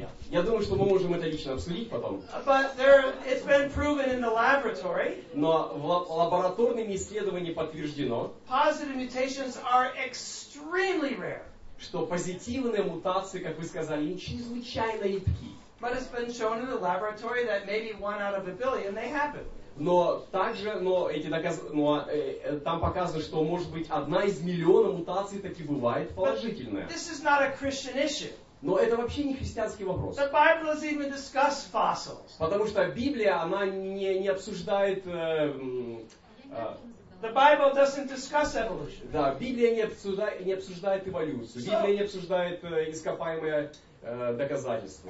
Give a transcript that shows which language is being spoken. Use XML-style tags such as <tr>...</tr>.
<ru>Я думаю, что мы можем это лично обсудить потом.</ru> <en>It's been proven in the laboratory.</en> <ru>Но в лабораторном исследовании подтверждено,</ru> <en>positive mutations are extremely rare.</en> <ru>Что позитивные мутации, как вы сказали, чрезвычайно редки.</ru> <en>But it's been shown in the laboratory that maybe one out of a billion they happen.</en> <ru>Но также, но эти там показано, что может быть одна из миллиона мутаций таки бывает положительная.</ru> <en>But this is not a Christian issue.</en> <ru>Но это вообще не христианский вопрос.</ru> <en>The Bible doesn't even discuss fossils.</en> <ru>Потому что Библия она не обсуждает.</ru> <en>The Bible doesn't discuss evolution.</en> <ru>Да, Библия не обсуждает эволюцию. Библия не обсуждает ископаемые доказательства.</ru>